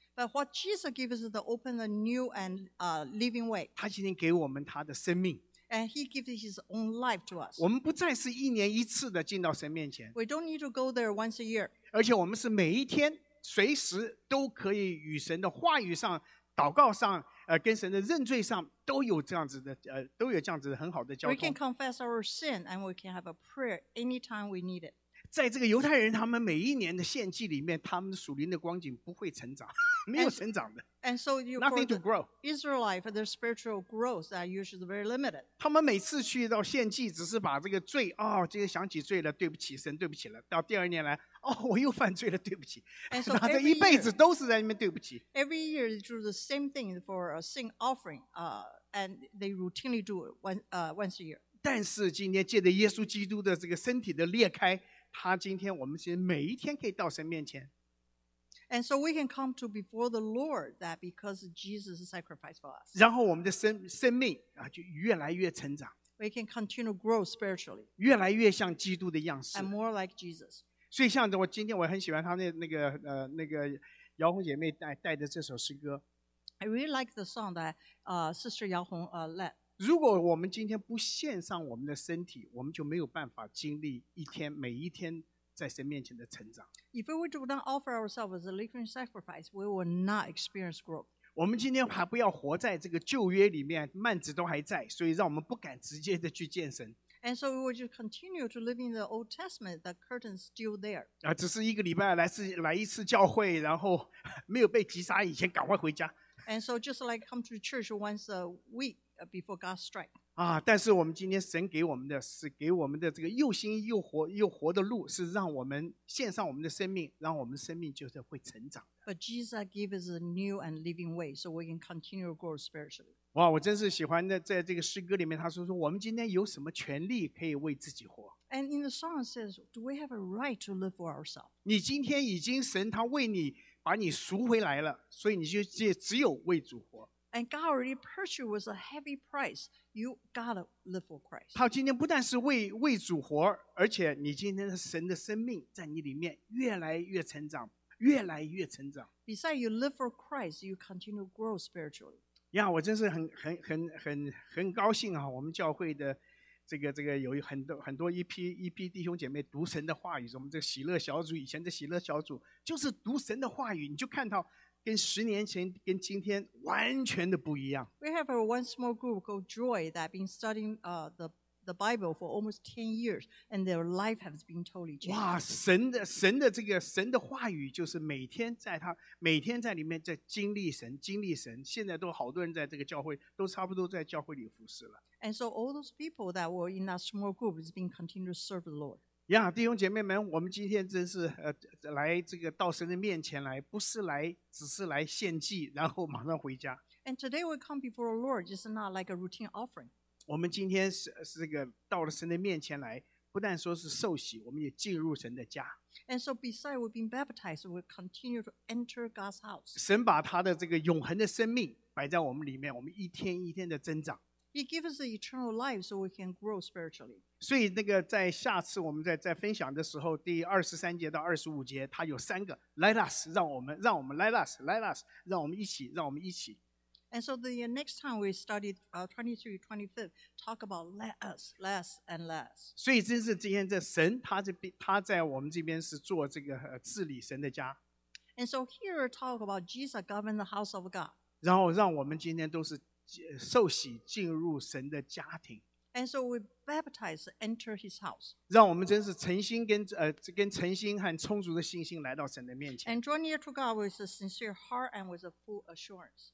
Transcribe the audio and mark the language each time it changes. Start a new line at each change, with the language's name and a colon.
English: But what Jesus gives us the open, the new, and living way.
Chinese: 他今天给我们他的生命。
English: And He gives His own life to us.
Chinese: 我们不再是一年一次的进到神面前。
English: We don't need to go there once a year.
Chinese: 而且我们是每一天随时都可以与神的话语上、祷告上、跟神的认罪上都有这样子的、都有这样子的很好的交通。
English: We can confess our sin and we can have a prayer anytime we need it.
Chinese: 在这个犹太人他们每一年的献祭里面，他们属灵的光景不会成长。没有成长的。
English: And so you nothing to grow. Israelite, their spiritual growth are usually very limited.
Chinese: 他们每次去到献祭，只是把这个罪，哦，这个想起罪了，对不起神，对不起了。到第二年来，哦，我又犯罪了，对不起。
English: And so every year,
Chinese: 这一辈子都是在那边对不起。
English: Every year they do the same thing for a sin offering, and they routinely do it once a year.
Chinese: 但是今天借着耶稣基督的这个身体的裂开，他今天我们其实每一天可以到神面前。
English: And so we can come to before the Lord that because Jesus sacrificed for us.
Chinese: 然后我们的生命、啊、就越来越成长。
English: We can continue to grow spiritually.
Chinese: 越来越像基督的样式。
English: And more like Jesus.
Chinese: 所以像我今天我很喜欢他那个姚红姐妹带的这首诗歌。
English: I really like the song that Sister 姚红led.
Chinese: 如果我们今天不献上我们的身体，我们就没有办法经历一天每一天在神面前的成长。
English: If we do not offer ourselves as a living sacrifice, we will not experience growth.
Chinese: 我们今天还不要活在这个旧约里面，幔子都还在，所以让我们不敢直接的去见神。
English: And so we will just continue to live in the Old Testament, the curtain is still there.
Chinese: 啊，只是一个礼拜来一次教会，然后没有被击杀以前，赶快回家。
English: And so just like come to church once a week before God strike. 啊！
Chinese: 但是我们今天神给我们的是给我们的这个又新又活又活的路，是让我们献上我们的生命，让我们生命就是会成长的。
English: But Jesus gives us a new and living way, so we can continue to grow spiritually. 哇！
Chinese: 我真是喜欢的，在这个诗歌里面，他说我们今天有什么权利可以为自己活
English: ？And in the song it says, do we have a right to live for ourselves?
Chinese: 你今天已经神他为你把你赎回来了，所以你就只有为主活。
English: And God already purchased with a heavy price. You gotta live for Christ.
Chinese: 他今天不但是为主活，而且你今天的神的生命在你里面越来越成长，越来越成长。
English: Besides, you live for Christ, you continue to grow spiritually.
Chinese: Yeah, 我真是很高兴啊！我们教会的这个有很多一批弟兄姐妹读神的话语，我们这个喜乐小组以前的喜乐小组就是读神的话语，你就看到。跟十年前跟今天完全的不一样。
English: We have a one small group called Joy that been studying the Bible for almost 10 years, and their life has been totally changed.
Chinese: 哇，神的这个神的话语就是每天在里面在经历神。现在都好多人在这个教会都差不多在教会里服侍了。
English: And so all those people that were in that small group has been continuing to serve the Lord.
Chinese: Yeah, 弟兄姐妹们，我们今天真是来这个到神的面前来，不是来只是来献祭，然后马上回家。
English: And today we come before the Lord, just not like a routine offering.
Chinese: 我们今天是这个到了神的面前来，不但说是受洗，我们也进入神的家。
English: And so, besides we've been baptized, we continue to enter God's house.
Chinese: 神把他的这个永恒的生命摆在我们里面，我们一天一天的增长。
English: He gives us the eternal life so we can grow spiritually.
Chinese: 所以那个在下次我们在分享的时候，第二十三节到二十五节，它有三个
English: Let us,
Chinese: 让我们 Let us, 让我们一起。
English: And so the next time we study 23, 25, talk about less, less and less.
Chinese: 所以这是今天的神，他在我们这边是做这个治理神的家。
English: And so here talk about Jesus govern the house of God.
Chinese: 然后让我们今天都是受洗进入神的家庭。
English: And so we baptize, enter his house.
Chinese: 让我们真是诚心跟诚心和充足的信心来到神的面前。
English: And draw near to God with a sincere heart and with a full assurance.